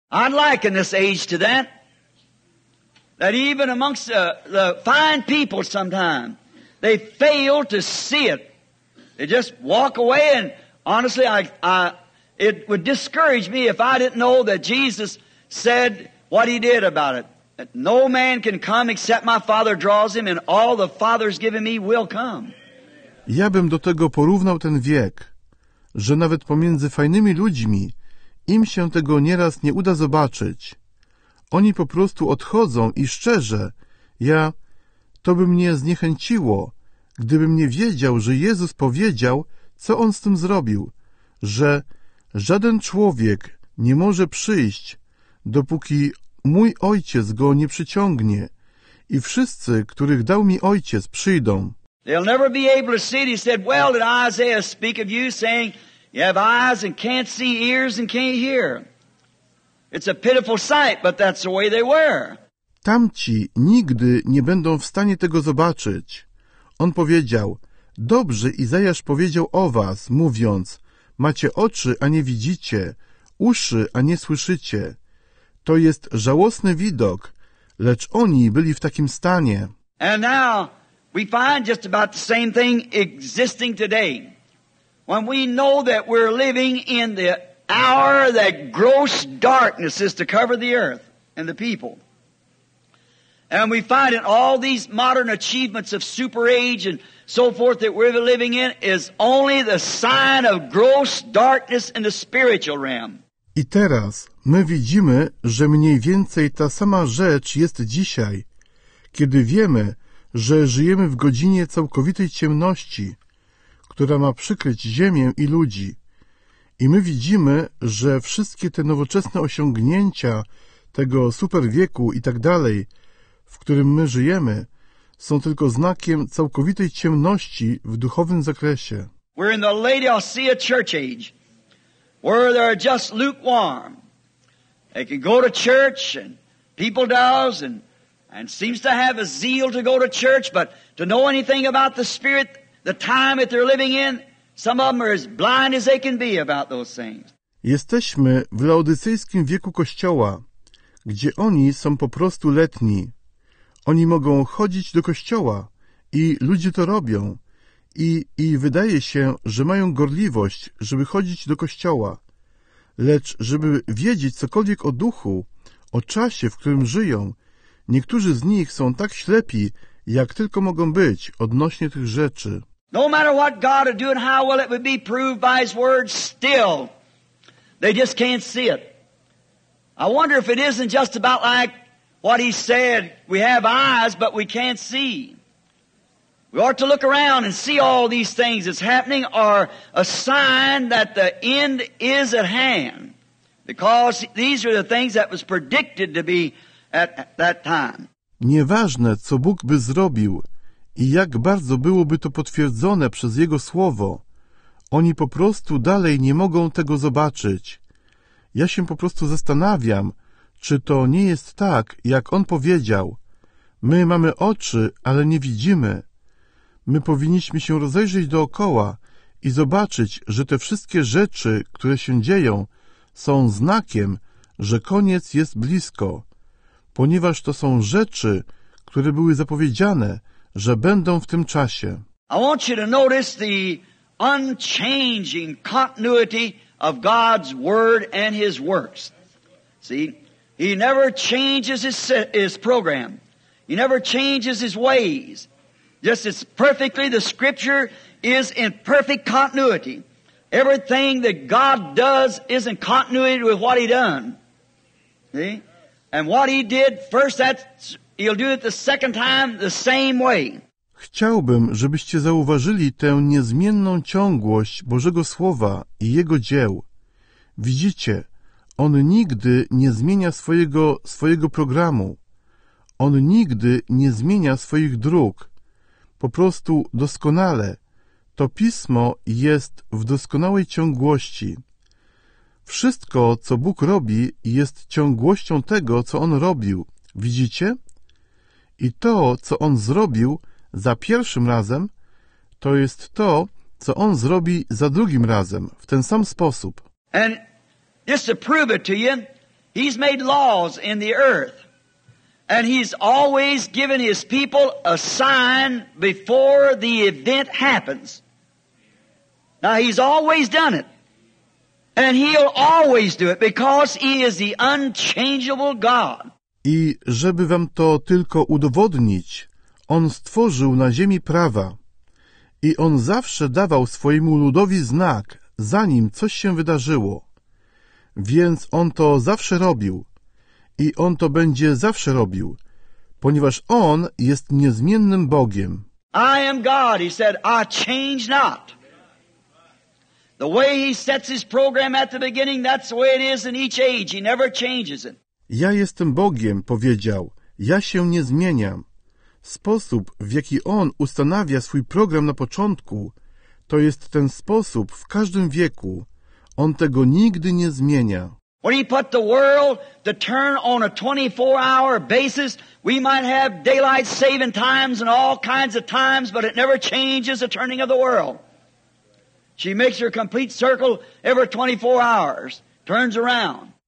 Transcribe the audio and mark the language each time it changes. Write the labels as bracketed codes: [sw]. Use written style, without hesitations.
[en] Unlike in this age to that, that even amongst the fine people sometimes, they fail to see it. They just walk away, and honestly, I it would discourage me if I didn't know that Jesus said what he did about it. That no man can come except my Father draws him, and all the Father's given me will come. [pl] Ja bym do tego porównał ten wiek, że nawet pomiędzy fajnymi ludźmi im się tego nieraz nie uda zobaczyć. Oni po prostu odchodzą i szczerze, to by mnie zniechęciło, gdybym nie wiedział, że Jezus powiedział, co On z tym zrobił, że żaden człowiek nie może przyjść, dopóki mój Ojciec go nie przyciągnie i wszyscy, których dał mi Ojciec, przyjdą. [en] They'll never be able to see it. He said, "Well, did Isaiah speak of you, saying, you have eyes and can't see, ears and can't hear? It's a pitiful sight, but that's the way they were." [pl] Tamci nigdy nie będą w stanie tego zobaczyć. On powiedział, "Dobrze Izajasz powiedział o was, mówiąc, macie oczy, a nie widzicie, uszy, a nie słyszycie. To jest żałosny widok, lecz oni byli w takim stanie." [en] And now we find just about the same thing existing today. When we know that we're living in the hour that gross darkness is to cover the earth and the people. And we find in all these modern achievements of super age and so forth that we're living in is only the sign of gross darkness in the spiritual realm. [pl] I teraz my widzimy, że mniej więcej ta sama rzecz jest dzisiaj, kiedy wiemy, że żyjemy w godzinie całkowitej ciemności, która ma przykryć ziemię i ludzi. I my widzimy, że wszystkie te nowoczesne osiągnięcia tego super wieku i tak dalej, w którym my żyjemy, są tylko znakiem całkowitej ciemności w duchowym zakresie. [en] We're in the Laodicea church age, where they're just lukewarm. They can go to church, and people does, and seems to have a zeal to go to church, but to know anything about the spirit, the time that they're living in, some of them are as blind as they can be about those things. [pl] Jesteśmy w laodycejskim wieku Kościoła, gdzie oni są po prostu letni. Oni mogą chodzić do kościoła i ludzie to robią i wydaje się, że mają gorliwość, żeby chodzić do kościoła. Lecz żeby wiedzieć cokolwiek o duchu, o czasie, w którym żyją, Niektórzy z nich są tak ślepi, jak tylko mogą być odnośnie tych rzeczy. [en] No matter what God will do and how well it would be proved by His word, still they just can't see it. I wonder if it isn't just about like what He said, we have eyes, but we can't see. We ought to look around and see all these things that's happening are a sign that the end is at hand. Because these are the things that was predicted to be at that time. [pl] Nieważne, co Bóg by zrobił i jak bardzo byłoby to potwierdzone przez Jego Słowo, oni po prostu dalej nie mogą tego zobaczyć. Ja się po prostu zastanawiam, czy to nie jest tak, jak On powiedział. My mamy oczy, ale nie widzimy. My powinniśmy się rozejrzeć dookoła i zobaczyć, że te wszystkie rzeczy, które się dzieją, są znakiem, że koniec jest blisko, ponieważ to są rzeczy, które były zapowiedziane, że będą w tym czasie. [en] I want you to notice the unchanging continuity of God's word and His works. See, He never changes His program. He never changes His ways. Just as perfectly, the scripture is in perfect continuity. Everything that God does is in continuity with what He done. See? And what He did first, He'll do it the second time the same way. [pl] Chciałbym, żebyście zauważyli tę niezmienną ciągłość Bożego Słowa i Jego dzieł. Widzicie, On nigdy nie zmienia swojego programu. On nigdy nie zmienia swoich dróg. Po prostu doskonale. To Pismo jest w doskonałej ciągłości. Wszystko, co Bóg robi, jest ciągłością tego, co On robił. Widzicie? I to, co On zrobił za pierwszym razem, to jest to, co On zrobi za drugim razem, w ten sam sposób. [en] And just to prove it to you, He's made laws in the earth. And He's always given His people a sign before the event happens. Now, He's always done it. And He'll always do it because He is the unchangeable God. [pl] I żeby wam to tylko udowodnić, On stworzył na ziemi prawa. I On zawsze dawał swojemu ludowi znak, zanim coś się wydarzyło. Więc On to zawsze robił. I On to będzie zawsze robił, ponieważ On jest niezmiennym Bogiem. [en] I am God, He said, I change not. The way He sets His program at the beginning, that's the way it is in each age. He never changes it. [pl] Ja jestem Bogiem, powiedział. Ja się nie zmieniam. Sposób, w jaki On ustanawia swój program na początku, to jest ten sposób w każdym wieku. On tego nigdy nie zmienia. [en] When He put the world to turn on a 24-hour basis, we might have daylight saving times and all kinds of times, but it never changes the turning of the world. She makes her complete circle every 24 hours, turns around.